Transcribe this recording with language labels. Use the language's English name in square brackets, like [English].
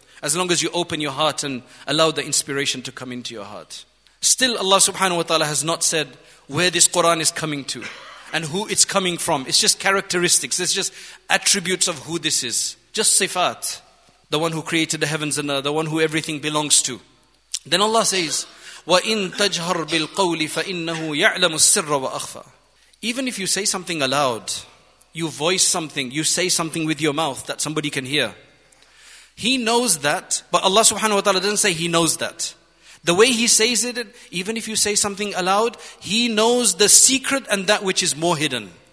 [English] As long as you open your heart and allow the inspiration to come into your heart. Still, Allah subhanahu wa ta'ala has not said where this Quran is coming to and who it's coming from. It's just characteristics. It's just attributes of who this is. Just sifat. The one who created the heavens and the one who everything belongs to. Then Allah says, [Arabic] وَإِن تَجْهَرْ بِالْقَوْلِ فَإِنَّهُ يَعْلَمُ السِّرَّ وَأَخْفَى. [English] Even if you say something aloud, you voice something, you say something with your mouth that somebody can hear. He knows that, but Allah subhanahu wa ta'ala doesn't say he knows that. The way he says it, even if you say something aloud, he knows the secret and that which is more hidden.